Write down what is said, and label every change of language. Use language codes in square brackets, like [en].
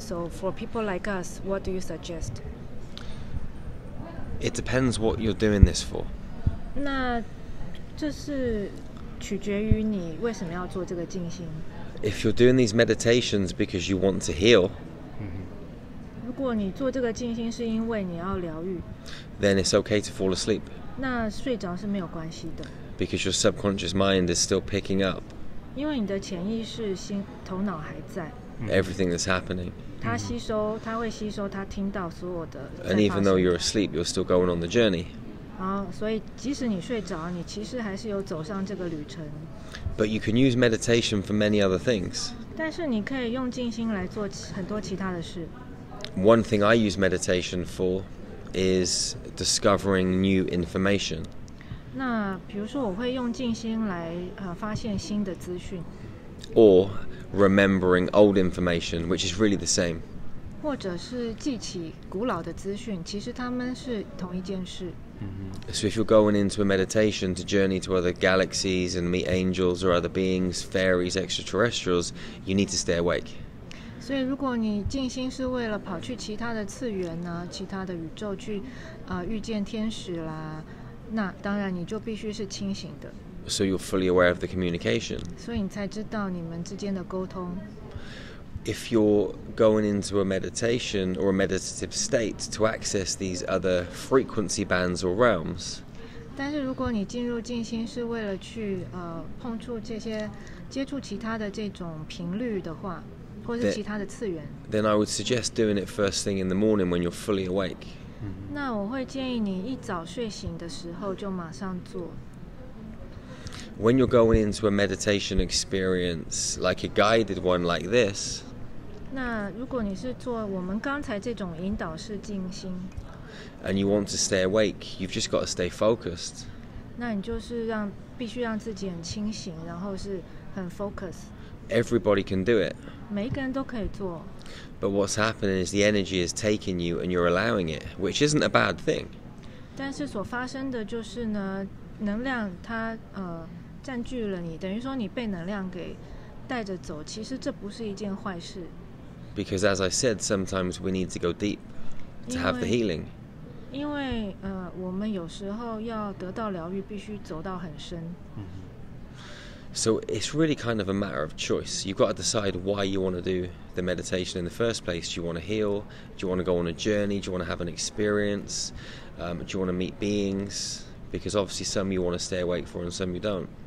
[en] So, for people like us, what do you suggest? It depends what you're doing this for. [zh] 那这是取决于你为什么要做这个静心。 [en] If you're doing these meditations because you want to heal, [zh] 如果你做这个静心是因为你要疗愈 [en] ，then it's okay to fall asleep. [zh] 那睡着是没有关系的。 [en] Because your subconscious mind is still picking up. [zh] 因为你的潜意识心头脑还在。 [en] Everything that's happening. [zh] 他吸收，他会吸收他听到所有的。 [en] And even though you're asleep, you're still going on the journey. [zh] 所以即使你睡着，你其实还是有走上这个旅程。 [en] But you can use meditation for many other things. [zh] 但是你可以用静心来做很多其他的事。 [en] One thing I use meditation for is discovering new information. [zh] 那比如说，我会用静心来发现新的资讯。 [en] Or remembering old information, which is really the same. [zh] 或者是记起古老的资讯，其实他们是同一件事。 [en] So if you're going into a meditation to journey to other galaxies and meet angels or other beings, fairies, extraterrestrials, you need to stay awake. [zh] 所以如果你静心是为了跑去其他的次元呢，其他的宇宙去遇见天使啦，那当然你就必须是清醒的。 [en] So you're fully aware of the communication. [zh] 所以你才知道你们之间的沟通。 [en] If you're going into a meditation or a meditative state to access these other frequency bands or realms. [zh] 但是如果你进入静心是为了去碰触这些接触其他的这种频率的话。或者是其他的次元。 [en] Then I would suggest doing it first thing in the morning when you're fully awake.、Mm-hmm. [zh] 那我会建议你一早睡醒的时候就马上做。 [en] When you're going into a meditation experience, like a guided one like this, [zh] 那如果你是做我们刚才这种引导式静心 [en] and you want to stay awake, you've just got to stay focused. [zh] 那你就是让必须让自己很清醒，然后是很 focus. [en] Everybody can do it. [zh] 每一个人都可以做。 [en] But what's happening is the energy is taking you, and you're allowing it, which isn't a bad thing. [zh] 但是所发生的就是呢。能量它占据了你，等于说你被能量给带着走。其实这不是一件坏事。 [en] Because as I said, sometimes we need to go deep to have the healing. [zh] 因为我们有时候要得到疗愈，必须走到很深。 [en] So it's really kind of a matter of choice. You've got to decide why you want to do the meditation in the first place. Do you want to heal? Do you want to go on a journey? Do you want to have an experience? Do you want to meet beings? Because obviously some you want to stay awake for and some you don't.